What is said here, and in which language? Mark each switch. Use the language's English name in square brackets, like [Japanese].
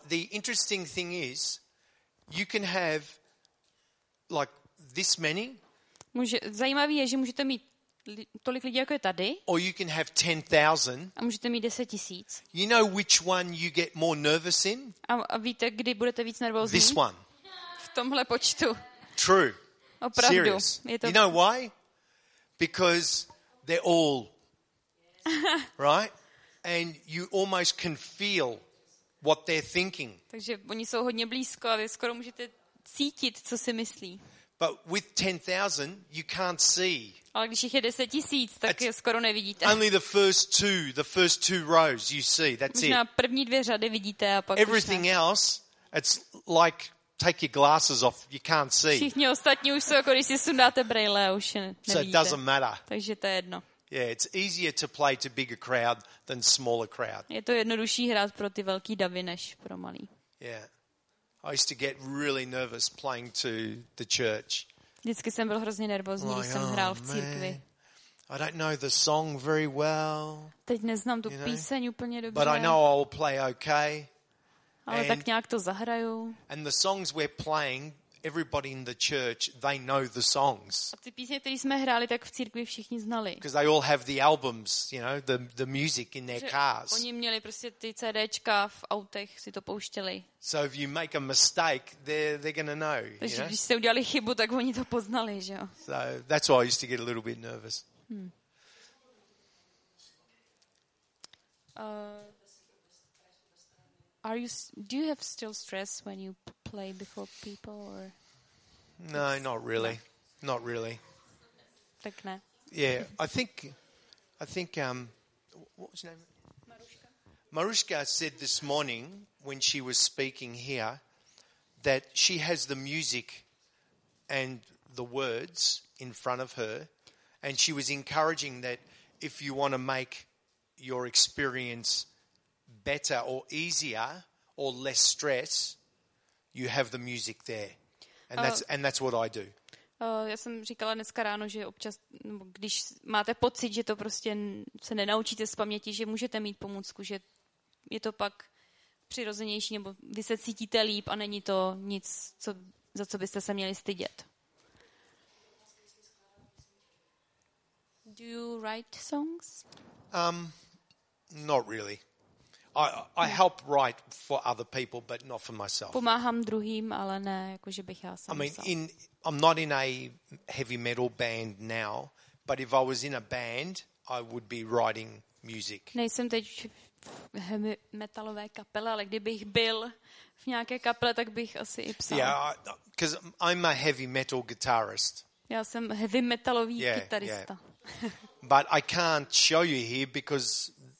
[English] The interesting thing is, you can have like this many. [Czech] Zajímavé je, že můžete mít tolik lidí, jako je tady. [English] Or you can have 10,000. [Czech] A můžete mít 10,000. [English] You know which one you get more nervous in? [Czech] A víte, kdy budete víc nervózní? [English] This one. [Czech] V tomhle počtu. [English] True. [Czech] Opravdu. [English] Serious. You know why? Because they're all right, and you almost can feel what they're thinking. [Czech] Takže oni jsou hodně blízko a vy skoro můžete cítit, co si myslí. [English] But with 10,000, you can't see. [Czech] Ale když je 10 tisíc, tak je skoro nevidíte. [English] Only the first two rows you see. That's [Czech] možná [English] it. [Czech] Možná první dvě řady vidíte a pak [English] everything [Czech] už ne. [English] Else, it's like take your glasses off. You can't see. [Czech] Všichni ostatní už jsou jako když si sundáte brýle a už je nevidíte. [English] So it doesn't matter. [Czech] Takže to je jedno. [English] Yeah, it's easier to play to bigger crowd than smaller crowd. [Czech] Je to jednodušší hrát pro ty velký davy než pro malý. [English] Yeah. I used to get really nervous playing to the church. [Czech] Vždycky jsem byl hrozně nervózní, když jsem hrál v církvi. [English] I don't know the song very well. [Czech] Teď neznám tu píseň úplně dobře. [English] But I know I'll play okay. [Czech] Ale tak nějak to zahraju. [English] And the songs we're playing, everybody in the church, they know the songs. [Czech] A ty písně, které jsme hráli, tak v církvi všichni znali. [English] Because they all have the albums, you know, the music in their cars. [Czech] Oni měli prostě ty CDčka v autech, si to pouštěli. [English] So if you make a mistake, they're going to know. [Czech] Takže když jste udělali chybu, tak oni to poznali, že jo. [English] So that's why I used to get a little bit nervous. Do you have still stress when you play before people or? No, not really. No. Not really. [Czech] Tak ne. [English] Yeah, I think what was her name? Maruška said this morning when she was speaking here that she has the music and the words in front of her, and she was encouraging that if you want to make your experience better or easier or less stress, you have the music there. And that's what I do. [Czech] Já jsem říkala dneska ráno, že občas, když máte pocit, že to prostě se nenaučíte z paměti, že můžete mít pomůcku, že je to pak přirozenější, nebo vy se cítíte líp a není to nic, za co byste se měli stydět. [English] Do you write songs? Not really. I help write for other people, but not for myself. [Czech] Pomáhám druhým, ale ne, jakože bych já sám. [English] I mean, I'm not in a heavy metal band now, but if I was in a band, I would be writing music. [Czech] Nejsem teď v heavy metalové kapele, ale kdybych byl v nějaké kapele, tak bych asi i psal. [English] Yeah, because I'm a heavy metal guitarist. [Czech] Já jsem heavy metalový kytarista. [English] Yeah. But I can't show you here because